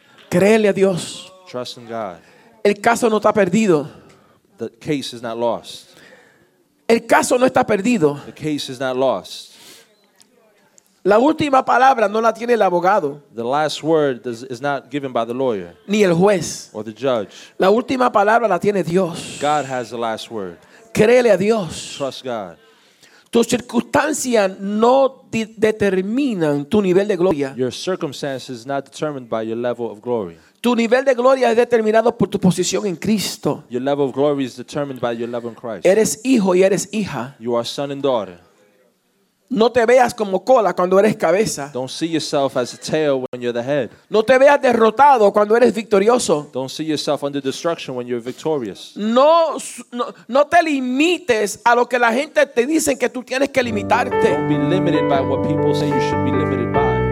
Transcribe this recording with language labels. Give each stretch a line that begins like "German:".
Spanish: Creerle a Dios.
English: Trust in God.
Spanish: El caso no está perdido.
English: The case is not lost.
Spanish: El caso no está perdido.
English: The case is not lost.
Spanish: La última palabra no la tiene el abogado.
English: The last word is not given by the lawyer.
Spanish: Ni el juez.
English: Or the judge.
Spanish: La última palabra la tiene Dios.
English: God has the last word.
Spanish: Créele a Dios.
English: Trust God.
Spanish: Tus circunstancias no determinan tu nivel de gloria.
English: Your circumstances are not determined by your level of glory.
Spanish: Tu nivel de gloria es determinado por tu posición en Cristo.
English: Your level of glory is determined by your level in Christ.
Spanish: Eres hijo y eres hija.
English: You are son and daughter.
Spanish: No te veas como cola cuando eres cabeza.
English: Don't see yourself as a tail when you're the head.
Spanish: No te veas derrotado cuando eres victorioso.
English: Don't see yourself under destruction when you're victorious.
Spanish: No te limites a lo que la gente te dice que tú tienes que limitarte.
English: Don't be limited by what people say you should be limited by.